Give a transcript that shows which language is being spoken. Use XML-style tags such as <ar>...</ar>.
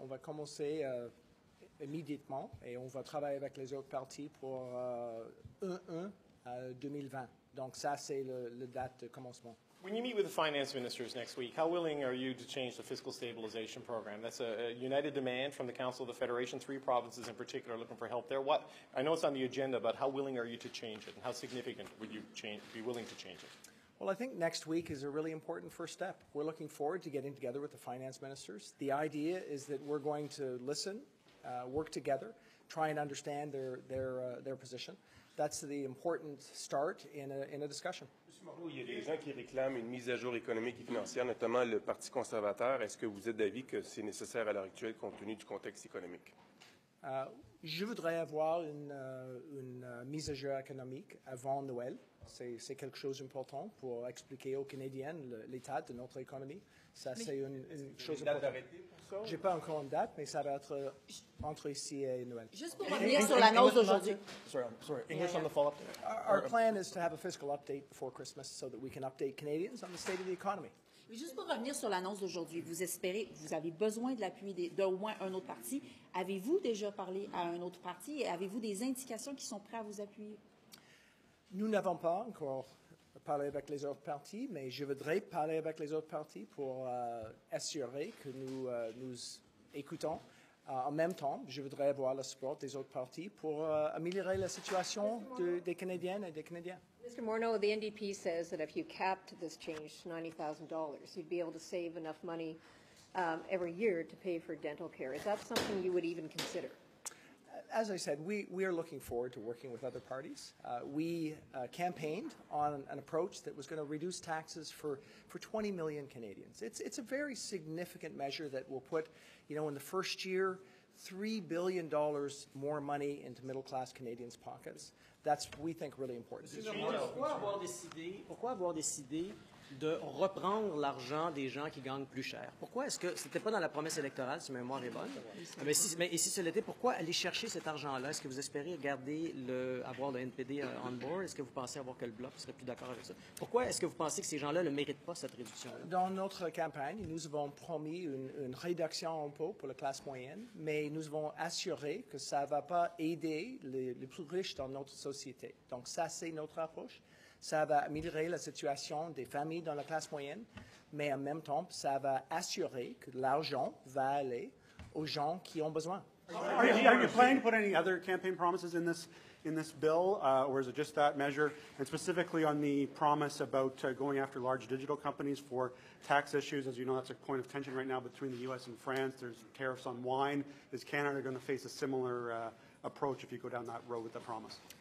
<fr>On va commencer immédiatement et on va travailler avec les autres parties pour 1-1 2020. Donc ça, c'est la date de commencement.</fr> <en>When you meet with the finance ministers next week, how willing are you to change the fiscal stabilization program? That's a united demand from the Council of the Federation. Three provinces in particular are looking for help there. What, I know it's on the agenda, but how willing are you to change it? And how significant would you be willing to change it? Well, I think next week is a really important first step. We're looking forward to getting together with the finance ministers. The idea is that we're going to listen, work together, try and understand their position. That's the important start in a discussion.</en> <fr>Monsieur Morneau, il y a des gens qui réclament une mise à jour économique et financière, notamment le Parti conservateur. Est-ce que vous êtes d'avis que c'est nécessaire à l'heure actuelle compte tenu du contexte économique? Je voudrais avoir une mise à jour économique avant Noël. C'est quelque chose d'important pour expliquer aux Canadiens l'état de notre économie. Ça, mais c'est une chose une date importante. Arrêtée pour ça? J'ai pas encore une date, mais ça va être entre ici et Noël. Juste pour revenir sur l'annonce aujourd'hui.</fr> <en>Sorry. English on the follow-up. Our plan is to have a fiscal update before Christmas so that we can update Canadians on the state of the economy.</en> <fr>Mais juste pour revenir sur l'annonce d'aujourd'hui, vous espérez, vous avez besoin de l'appui d'au moins un autre parti. Avez-vous déjà parlé à un autre parti et avez-vous des indications qui sont prêts à vous appuyer? Nous n'avons pas encore parlé avec les autres partis, mais je voudrais parler avec les autres partis pour assurer que nous écoutons. En même temps, je voudrais avoir le support des autres partis pour améliorer la situation des Canadiennes et des Canadiens.</fr> <en>Mr. Morneau, the NDP says that if you capped this change to $90,000, you'd be able to save enough money every year to pay for dental care. Is that something you would even consider? As I said, we are looking forward to working with other parties. We campaigned on an approach that was going to reduce taxes for 20 million Canadians. It's a very significant measure that will put, you know, in the first year, $3 billion more money into middle-class Canadians' pockets. That's, we think, really important.</en> <fr>Pourquoi avoir décidé de reprendre l'argent des gens qui gagnent plus cher? Pourquoi est-ce que c'était pas dans la promesse électorale, si ma mémoire est bonne? Mais si ce l'était, pourquoi aller chercher cet argent-là? Est-ce que vous espérez garder avoir le NPD</fr> <en>on board?</en> <fr>Est-ce que vous pensez avoir que le Bloc serait plus d'accord avec ça? Pourquoi est-ce que vous pensez que ces gens-là ne méritent pas cette réduction-là? Dans notre campagne, nous avons promis une réduction en impôts pour la classe moyenne, mais nous avons assuré que ça ne va pas aider les plus riches dans notre société. Donc ça, c'est notre approche. Ça va améliorer la situation des familles dans la classe moyenne, mais en même temps, ça va assurer que l'argent va aller aux gens qui ont besoin.</fr> <en>Are you planning to put any other campaign promises in this bill, or is it just that measure? And specifically on the promise about going after large digital companies for tax issues, as you know, that's a point of tension right now between the U.S. and France. There's tariffs on wine. Is Canada going to face a similar approach if you go down that road with the promise?</en>